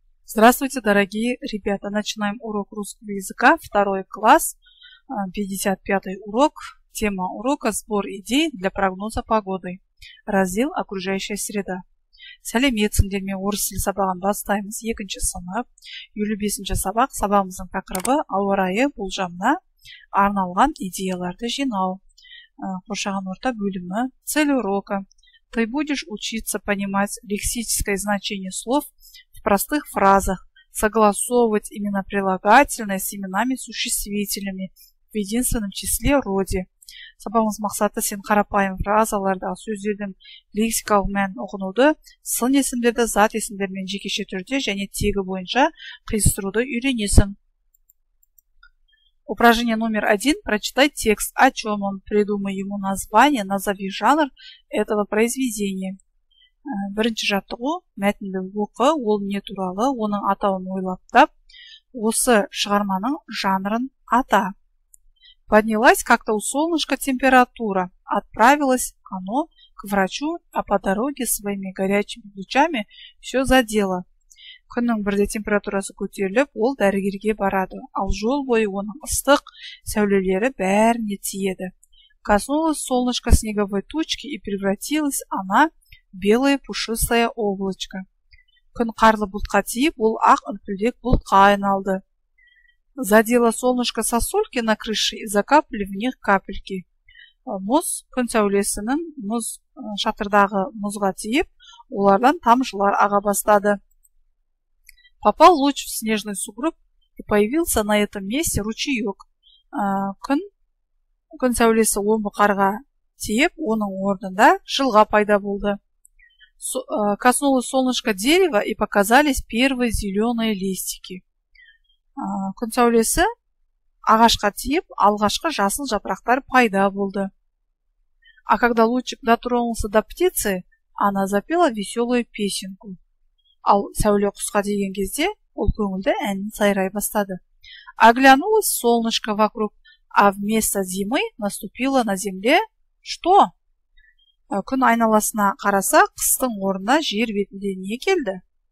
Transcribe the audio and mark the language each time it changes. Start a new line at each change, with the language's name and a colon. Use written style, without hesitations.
Russian: Здравствуйте, дорогие ребята! Начинаем урок русского языка, второй класс, 55-й урок. Тема урока – сбор идей для прогноза погоды. Раздел «Окружающая среда».
Kazakh: Сәлеметсің дерме, орыс тілі сабағын бастаймыз 2-ші сынып. 55-ші сабақ, сабағымыздың тақырыбы ауа-райы болжамына арналған идеяларды жинау. Қоршаған орта бөлімі,
Russian: цель урока. Ты будешь учиться понимать лексическое значение слов простых фразах, согласовывать имена прилагательные с именами существительными в единственном числе роде.
Kazakh: Сабағымыз мақсаты сен қарапайым фразаларды, сөздердің лексикалық мәнін ұғынуды, сын есімдерді, зат есімдермен жекеше түрде және тегі бойынша қиыстыруды үйренесің.
Russian: Упражнение номер один. Прочитай текст. О чем он? Придумай ему название. Назови жанр этого произведения.
Kazakh: Бірінші жаттығу, мәтінді оқы, ол не туралы, оның атауын ойлаптап, осы шығарманың жанрын ата.
Russian: Поднялась как-то у солнышка температура, отправилась оно к врачу, а по дороге своими горячими лучами все задело.
Kazakh: Күннің бірде температурасы көтеріліп, ол дәрігерге барады, ал жол бойы оның ыстық сәулелері бәріне тиеді.
Russian: Коснулась солнышко снеговой тучки и превратилась она белая пушистая облачко.
Kazakh: Күн қарлы бұлтқа тиіп, ол ақ үлпілдек бұлтқа айналды.
Russian: Задело солнышко сосульки на крыше и закапали в них капельки.
Kazakh: Мұз күн сәулесінің мұз шатырдағы мұзға тиіп, олардан тамшылар аға бастады.
Russian: Попал луч в снежный сугроб и появился на этом месте ручеек.
Kazakh: Күн сәулесі омбы қарға тиіп, оның орнында жылға пайда болды.
Russian: Коснулось солнышко дерева и показались первые зеленые листики.
Kazakh: Күн сәулесі ағашқа тиіп, алғашқы жасыл жапырақтар пайда болды.
Russian: А когда лучик дотронулся до птицы, она запела веселую песенку.
Kazakh: Ал сәуле құсқа деген кезде, ол көңілді әнін сайрай бастады.
Russian: Оглянулось солнышко вокруг, а вместо зимы наступило на земле что?
Kazakh: Күн айналасына қараса, қыстың орнына жер бетінде не келді?